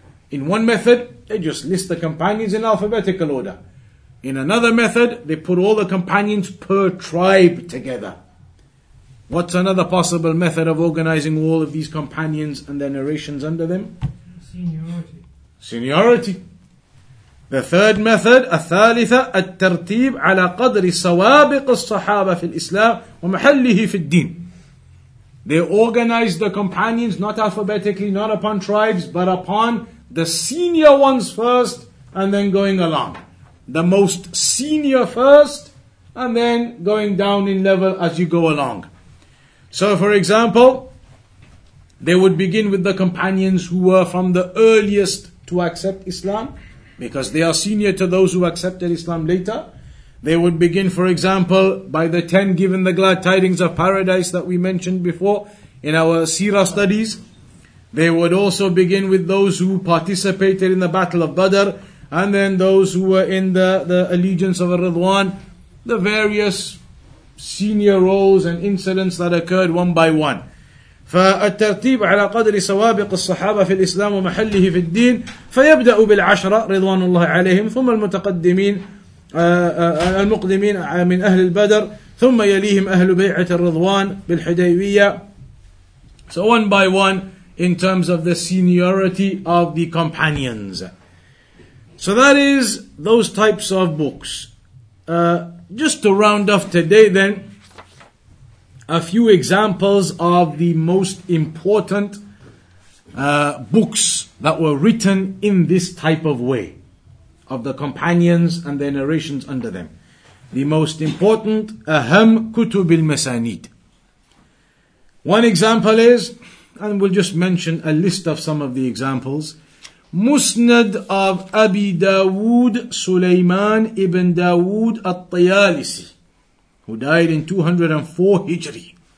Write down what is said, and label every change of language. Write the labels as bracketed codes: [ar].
[en] In one method, they just list the companions in alphabetical order. In another method, they put all the companions per tribe together. What's another possible method of organizing all of these companions and their narrations under them? Seniority. The third method, [ar] الثالثة, الترتيب على قدر سوابق الصحابة في الإسلام ومحله في الدين. [en] They organize the companions, not alphabetically, not upon tribes, but upon the senior ones first, and then going along. The most senior first, and then going down in level as you go along. So for example, they would begin with the companions who were from the earliest to accept Islam, because they are senior to those who accepted Islam later. They would begin, for example, by the 10 given the glad tidings of paradise that we mentioned before in our seerah studies. They would also begin with those who participated in the battle of Badr, And then those who were in the allegiance of al-Ridwan, the various senior roles and incidents that occurred one by one. [ar] فالترتيب على قدر سوابق الصحابة في الإسلام ومحله في الدين فيبدأ بالعشرة رضوان الله عليهم ثم المتقدمين المقدمين من أهل البدر ثم يليهم أهل بيعة الرضوان بالحديبية. [en] So one by one in terms of the seniority of the companions. So that is those types of books. Just to round off today then, a few examples of the most important books that were written in this type of way, of the companions and their narrations under them. The most important, [ar] أهم كتب المسانيد. [en] One example is, and we'll just mention a list of some of the examples, Musnad of Abi Dawood Sulaiman ibn Dawood al-Tayalisi, who died in 204 Hijri.